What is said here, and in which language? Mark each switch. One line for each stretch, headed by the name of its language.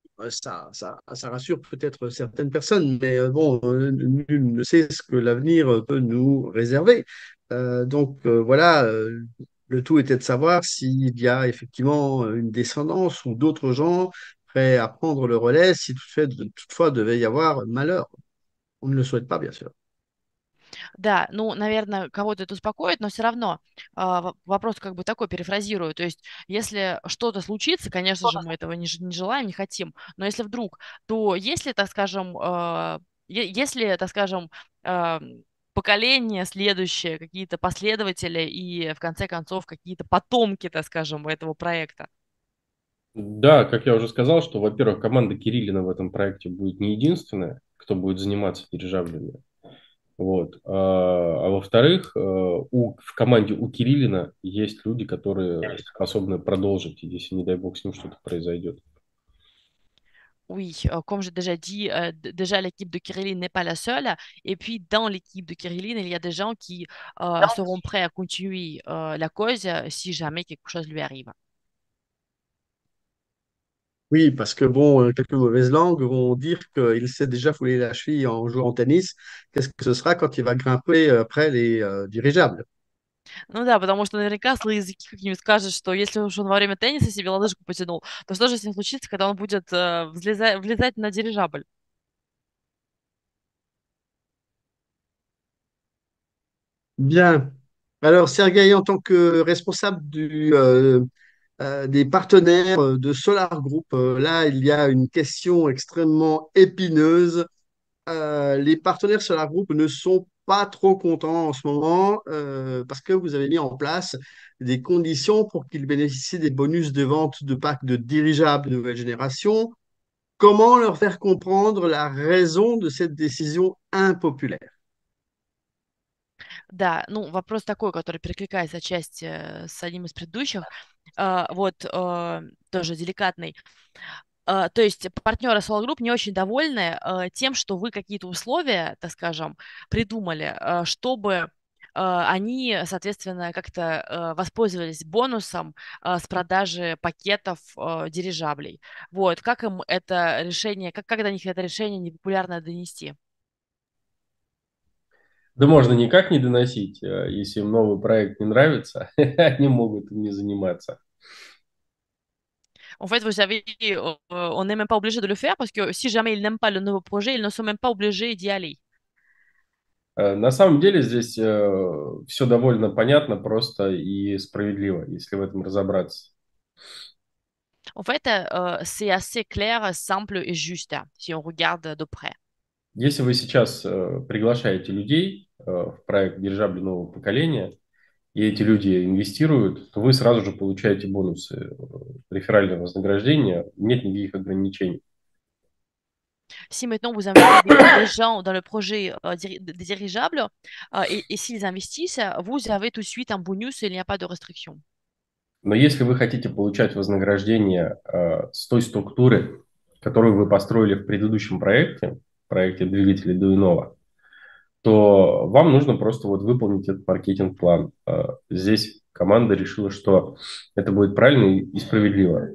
French: Ça rassure peut-être certaines personnes, mais bon, nul ne sait ce que l'avenir peut nous réserver. Voilà, le tout était de savoir s'il y a effectivement une descendance ou d'autres gens prêts à prendre le relais, si toutefois devait y avoir malheur. On ne le souhaite pas, bien sûr.
Russian: Да, ну, наверное, кого-то это успокоит, но все равно вопрос как бы такой перефразирую. То есть, если что-то случится, конечно же, мы этого не желаем, не хотим, но если вдруг, то если, так скажем, поколение следующее, какие-то последователи и, в конце концов, какие-то потомки, так скажем, этого проекта. Да, как я уже сказал, что, во-первых, команда Кириллина в этом проекте будет не единственная, кто будет заниматься дирижаблями. Вот. А во-вторых, в команде у Кириллина есть люди, которые способны продолжить, если, не дай бог, с ним что-то произойдет.
French: Oui, comme j'ai déjà dit, déjà l'équipe de Kirilin n'est pas la seule. Et puis, dans l'équipe de Kirilin, il y a des gens qui seront prêts à continuer la cause si jamais quelque chose lui arrive. Oui, parce que bon, quelques mauvaises langues vont dire qu'il s'est déjà foulé la cheville en jouant au tennis. Qu'est-ce que ce sera quand il va grimper après les dirigeables?
Russian: Ну да, потому что наверняка злые языки какие-нибудь скажут, что если уж он во время тенниса себе лодыжку потянул, то что же с ним случится, когда он будет влезать на дирижабль?
French: Bien. Alors, Sergueï, en tant que responsable des partenaires de Solar Group. Là, il y a une question extrêmement épineuse. Les partenaires Solar Group ne sont pas trop contents en ce moment parce que vous avez mis en place des conditions pour qu'ils bénéficient des bonus de vente de packs de dirigeables de nouvelle génération. Comment leur faire comprendre la raison de cette décision impopulaire?
Russian: Да, ну вопрос такой, который перекликается отчасти с одним из предыдущих, тоже деликатный. То есть партнеры Solar Group не очень довольны тем, что вы какие-то условия, так скажем, придумали, чтобы они, соответственно, как-то воспользовались бонусом с продажи пакетов дирижаблей. Вот, как им это решение, как до них это решение непопулярно донести? Да можно никак не доносить, если им новый проект не нравится, они могут им не заниматься.
French: En fait, vous savez, on n'est même pas obligé de le faire parce que si jamais ils n'aiment pas le nouveau projet, ils ne sont même pas obligés d'y aller.
Russian: На самом деле здесь все довольно понятно, просто и справедливо, если в этом разобраться.
French: En fait, c'est assez clair, simple et juste, si on regarde de près.
Russian: Если вы сейчас приглашаете людей в проект «Дирижабли нового поколения», и эти люди инвестируют, то вы сразу же получаете бонусы реферального вознаграждения, нет никаких ограничений.
French: Si maintenant vous invitez des gens dans le projet dirigeable et s'ils investissent, vous avez tout de suite un bonus et il n'y a pas de restriction.
Russian: Но если вы хотите получать вознаграждение с той структуры, которую вы построили в предыдущем проекте, проекте двигателей Дуйнова, то вам нужно просто вот выполнить этот маркетинг-план. Здесь команда решила, что это будет правильно и справедливо.